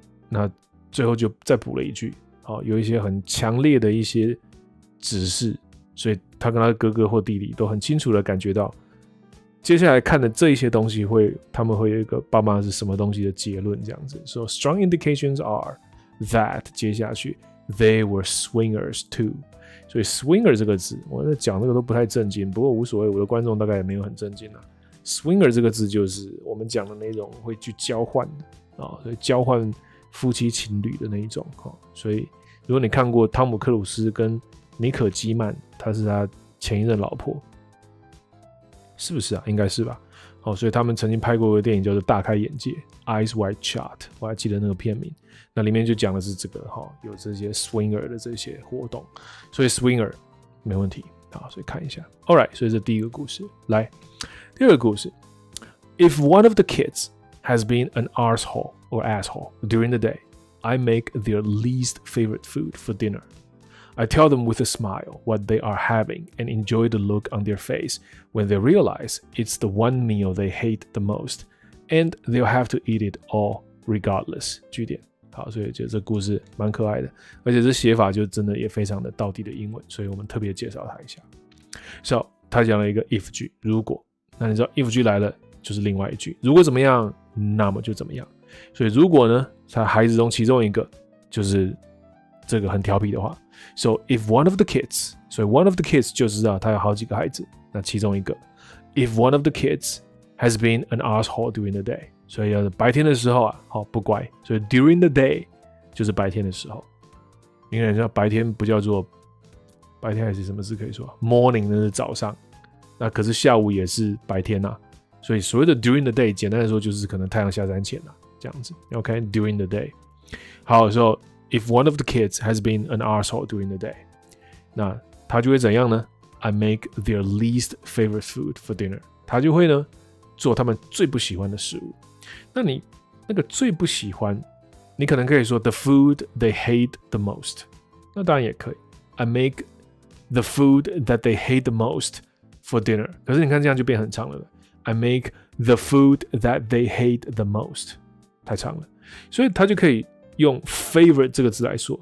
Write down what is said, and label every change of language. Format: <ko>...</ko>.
<zh>那最后就再补了一句，好，有一些很强烈的一些指示，所以他跟他哥哥或弟弟都很清楚的感觉到，接下来看的这一些东西会，他们会有一个爸妈是什么东西的结论，这样子。</zh> <en>So strong indications are that</en> <zh>接下去</zh> <en>they were swingers too。</en> <zh>所以 swinger 这个字，我在讲这个都不太震惊，不过无所谓，我的观众大概也没有很震惊啦。 Swinger 这个字就是我们讲的那种会去交换的啊，所以交换夫妻情侣的那一种哈。所以如果你看过汤姆克鲁斯跟妮可基曼，他是他前一任老婆，是不是啊？应该是吧。好，所以他们曾经拍过一个电影叫做《大开眼界》（Eyes Wide Shut）， 我还记得那个片名。那里面就讲的是这个哈，有这些 swinger 的这些活动，所以 swinger 没问题啊。所以看一下 ，</zh> <en>All right，</en> <zh>所以这第一个故事来。第二个故事</zh> <en>，If one of the kids has been an arsehole or asshole during the day, I make their least favorite food for dinner. I tell them with a smile what they are having and enjoy the look on their face when they realize it's the one meal they hate the most, and they'll have to eat it all regardless.</en> <zh>句点，好，所以就这故事蛮可爱的，而且这写法就真的也非常的道地的英文，所以我们特别介绍它一下。 So 他讲了一个 if 句，如果。那你知道 if 句来了就是另外一句，如果怎么样那么就怎么样，所以如果呢他孩子中其中一个就是这个很调皮的话，</zh> <en>so if one of the kids，</en> <zh>所以</zh> <en>one of the kids</en> <zh>就知道他有好几个孩子，那其中一个</zh> <en>if one of the kids has been an asshole during the day，</en> <zh>所以白天的时候啊，好不乖，所以</zh> <en>during the day</en> <zh>就是白天的时候，因为你知道白天不叫做白天，还是什么字可以说 morning 呢，是早上，那可是下午也是白天啊，所以所谓的</zh> <en>during the day，</en> <zh>简单的说就是可能太阳下山前啊，这样子。OK， during the day。</zh> <en>好，</en> <zh>说</zh> <en>if one of the kids has been an arsehole during the day，</en> <zh>那他就会怎样呢？</zh> <en>I make their least favorite food for dinner。</en> <zh>他就会呢做他们最不喜欢的食物。那你那个最不喜欢，你可能可以说 the food they hate the most。那当然也可以</zh> <en>，I make the food that they hate the most。 For dinner，</en> <zh>可是你看这样就变很长了。</zh> <en>I make the food that they hate the most，</en> <zh>太长了，所以他就可以用 favorite 这个字来说。</zh>